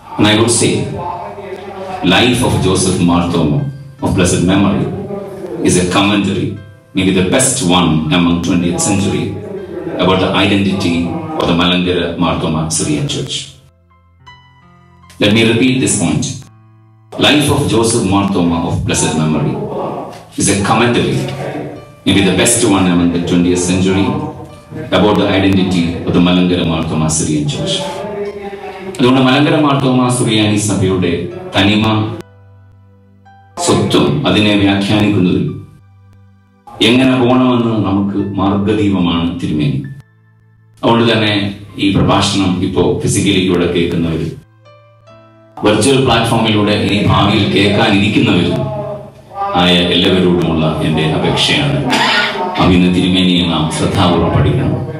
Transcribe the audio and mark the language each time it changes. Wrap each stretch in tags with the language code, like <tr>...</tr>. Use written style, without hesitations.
<en>I would say life of Joseph Mar Thoma of blessed memory is a commentary, may be the best one among 20th century about the identity of the Malankara Mar Thoma Syrian church. Let me repeat this point. Life of Joseph Mar Thoma of blessed memory is a commentary, maybe the best one among the 20th century, about the identity of the Malankara Mar Thoma Syrian Church.</en> <ml>അതുകൊണ്ട് മലങ്കര മാർ തോമ സുറിയാനി സഭയുടെ തനിമ സ്വത്വം അതിനെ വ്യാഖ്യാനിക്കുന്നതിൽ എങ്ങനെ പോകണമെന്ന് നമുക്ക് മാർഗദീപമാണ് തിരുമേനി. അതുകൊണ്ട് തന്നെ ഈ പ്രഭാഷണം ഇപ്പോ ഫിസിക്കലി ഇവിടെ കേൾക്കുന്നവർ, വെർച്വൽ പ്ലാറ്റ്ഫോമിലൂടെ ഇനി ഭാവിയിൽ കേൾക്കാനിരിക്കുന്നവരും ആയ എല്ലാവരോടുമുള്ള എന്റെ അപേക്ഷയാണ് അവിന്ന് തിരുമേനിയെ നാം ശ്രദ്ധാപൂർവ്വം പഠിക്കണം.</ml>